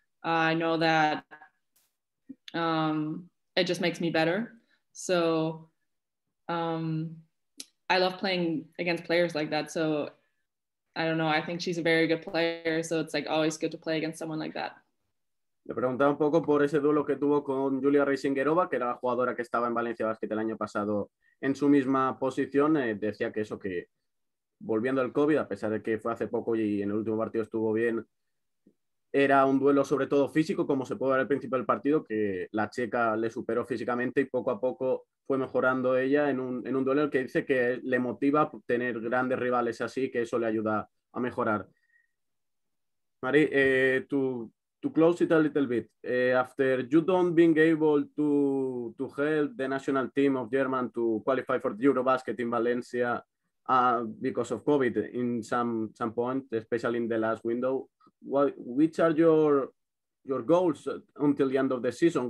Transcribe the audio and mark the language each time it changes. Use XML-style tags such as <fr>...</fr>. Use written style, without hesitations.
<en>I know that it just makes me better. So I love playing against players like that. So I don't know. I think she's a very good player. So it's, like, always good to play against someone like that.</en> <es>Le preguntaba un poco por ese duelo que tuvo con Julia Reisingerova, que era la jugadora que estaba en Valencia Basket el año pasado en su misma posición. Decía que eso, que volviendo al COVID, a pesar de que fue hace poco y en el último partido estuvo bien, era un duelo sobre todo físico, como se puede ver al principio del partido, que la checa le superó físicamente y poco a poco fue mejorando ella en un duelo que dice que le motiva tener grandes rivales así, que eso le ayuda a mejorar.</es> <en>Mari, to close it a little bit, after you don't being able to help the national team of Germany to qualify for the Eurobasket in Valencia because of COVID in some point, especially in the last window, which are your goals until the end of the season?</en>